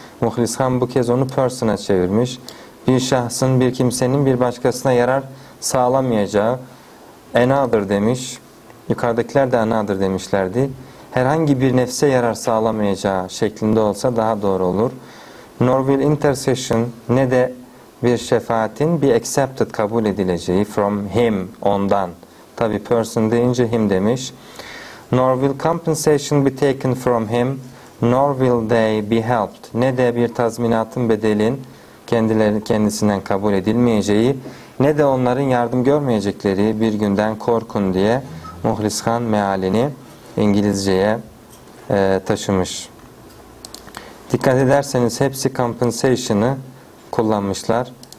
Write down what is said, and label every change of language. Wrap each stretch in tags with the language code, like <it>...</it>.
<tr>Muhlis Han bu kez onu person'a çevirmiş. Bir şahsın, bir kimsenin, bir başkasına yarar sağlamayacağı another demiş. Yukarıdakiler de another demişlerdi. Herhangi bir nefse yarar sağlamayacağı şeklinde olsa daha doğru olur.</tr> <en>Nor will intercession,</en> <tr>ne de bir şefaatin</tr> <en>be accepted,</en> <tr>kabul edileceği</tr> <en>from him,</en> <tr>ondan. Tabi person deyince him demiş.</tr> <en>Nor will compensation be taken from him, nor will they be helped.</en> <tr>Ne de bir tazminatın, bedelin kendisinden kabul edilmeyeceği, ne de onların yardım görmeyecekleri bir günden korkun diye Muhlis Han mealini İngilizceye taşımış. Dikkat ederseniz hepsi compensation'ı kullanmışlar.</tr>